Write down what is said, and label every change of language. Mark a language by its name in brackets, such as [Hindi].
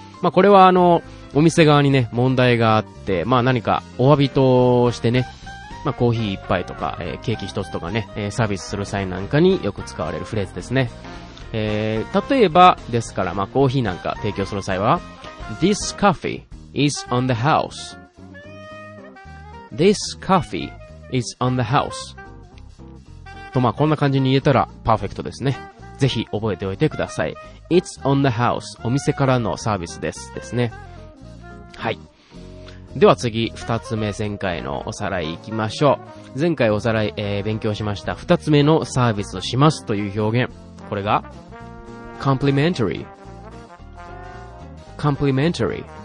[Japanese] まあこれはあのお店側にね、問題があって、まあ何かお詫びとしてね、まあコーヒー一杯とか、ケーキ一つとかね、サービスする際なんかによく使われるフレーズですね。例えばですから、まあコーヒーなんか提供する際は [English] This coffee is on the house。 This coffee is on the house。 [Japanese] と、まあこんな感じに言えたらパーフェクトですね。ぜひ覚えておいてください。 [English] It's on the house、 [Japanese] お店からのサービスですですね。はい。では次、二つ目、前回のおさらいいきましょう。前回おさらい、勉強しました二つ目のサービスをしますという表現、これが complimentary、 complimentary。